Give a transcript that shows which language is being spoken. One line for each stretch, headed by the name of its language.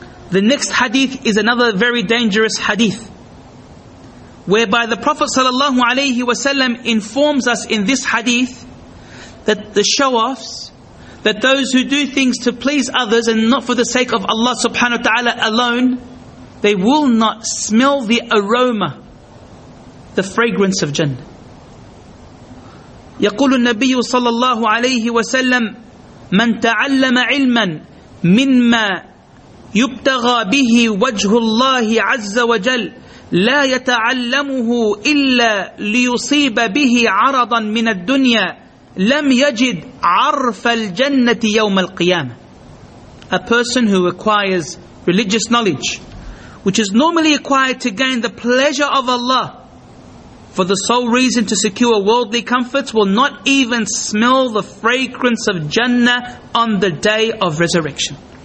English: The next hadith is another very dangerous hadith, whereby the Prophet sallallahu alayhi wa sallam informs us in this hadith that the show-offs, that those who do things to please others and not for the sake of Allah subhanahu wa ta'ala alone, they will not smell the aroma, the fragrance of Jannah.
Arabic: يقول النبي صلى الله عليه وسلم من تعلم علما مما يبتغى به وجه الله عز وجل لا يتعلمه إلا ليصيب به عرضا من الدنيا لم يجد عرف الجنة يوم القيامة.
English: A person who acquires religious knowledge, which is normally acquired to gain the pleasure of Allah, for the sole reason to secure worldly comforts, will not even smell the fragrance of Jannah on the Day of Resurrection.